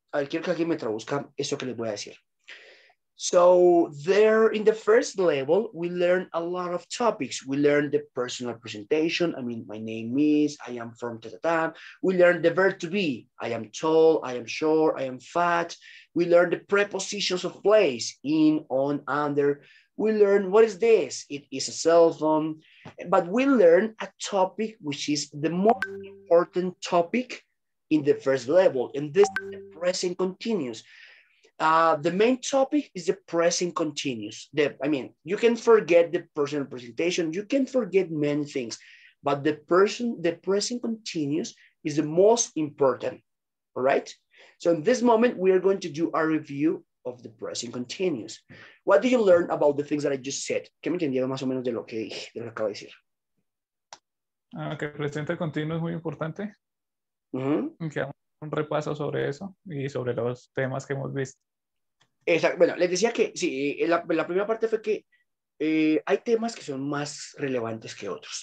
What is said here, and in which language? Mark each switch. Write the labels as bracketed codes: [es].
[es] Quiero que alguien me traduzca eso que les voy a decir. [en] So there in the first level, we learn a lot of topics. We learn the personal presentation. I mean, my name is, I am from ta-ta-ta. We learn the verb to be. I am tall, I am short, I am fat. We learn the prepositions of place, in, on, under. We learn what is this? It is a cell phone. But we learn a topic which is the most important topic in the first level. And this is the present continuous. The main topic is the present continuous. You can forget the personal presentation. You can forget many things. But the present continuous is the most important. All right? So in this moment, we are going to do a review of the present continuous. What do you learn about the things that I just said? [es] ¿Qué me entendieron más o menos de lo que dije, de lo que acabo de decir? Que el presente continuo es muy importante. Uh-huh. Que hagamos un repaso sobre eso y sobre los temas que hemos visto. Exacto. Bueno, les decía que sí, la primera parte fue que hay temas que son más relevantes que otros.